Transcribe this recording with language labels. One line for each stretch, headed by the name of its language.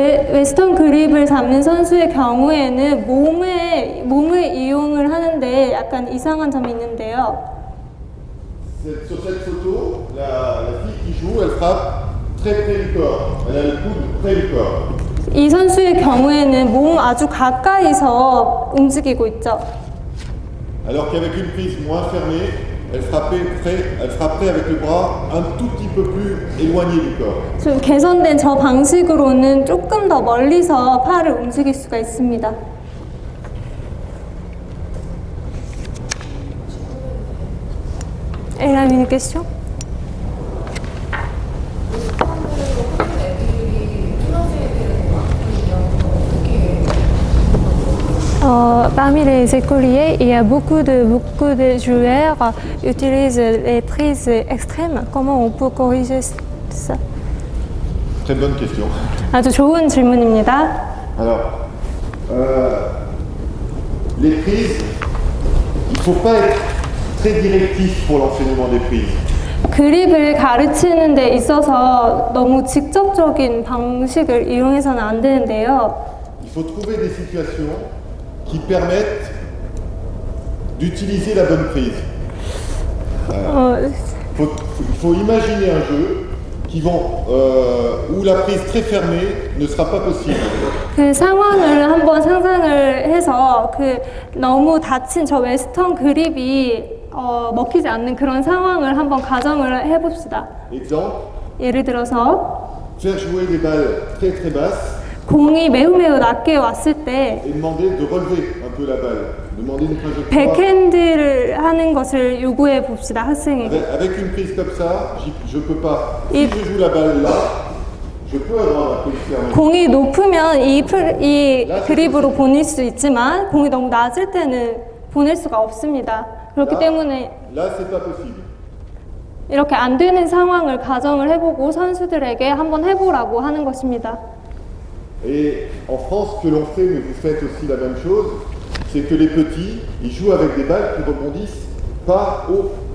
Korean: 웨스턴 그립을 잡는 선수의 경우에는 몸을 이용을 하는데 약간 이상한 점이 있는데요.
French: Sur cette photo, la fille qui joue, elle frappe très près du corps. Elle a le coude près du corps.
Korean: 이 선수의 경우에는 몸 아주 가까이서 움직이고 있죠.
French: Alors qu'avec une prise moins fermée, elle frappait avec le bras un tout petit peu plus éloigné du corps.
Korean: 좀 개선된 저 방식으로는 조금 더 멀리서 팔을 움직일 수가 있습니다. 에라미 느꼈죠?
French: Parmi les écoliers, il y a beaucoup de joueurs utilisent les prises extrêmes. Comment on peut corriger ça? Très bonne question.
Korean: 아주 좋은 질문입니다.
French: Alors, les prises, il ne faut pas être très directif pour l'enseignement des prises.
Korean: 그립을 가르치는 데 있어서 너무 직접적인 방식을 이용해서는 안 되는데요.
French: Il faut trouver des situations qui permettent d'utiliser la bonne prise. Il faut imaginer un jeu qui vont, où la prise très fermée ne sera pas possible.
Korean: 그 상황을 한번 상상을 해서 그 너무 닫힌 저 웨스턴 그립이 먹히지 않는 그런 상황을 한번 가정을 해봅시다.
French: Exemple,
Korean: 예를 들어서
French: faire jouer des balles très très basses,
Korean: 공이 매우 매우 낮게 왔을 때
French: et demander de relever un peu la balle, demander une trajectoire,
Korean: 백핸드를 하는 것을 요구해 봅시다 학생에게.
French: Avec une prise comme ça, je peux pas. Si je joue la balle là, je peux avoir la prise fermée.
Korean: 공이 높으면 이 그립으로 보낼 수 있지만 공이 너무 낮을 때는 보낼 수가 없습니다. 그렇기
French: là,
Korean: 때문에
French: là, c'est pas possible.
Korean: 이렇게 안 되는 상황을 가정을 해보고 선수들에게 한번 해보라고 하는 것입니다.
French: Et en France, ce que l'on fait, mais vous faites aussi la même chose, c'est que les petits, ils jouent avec des balles qui rebondissent pas haut.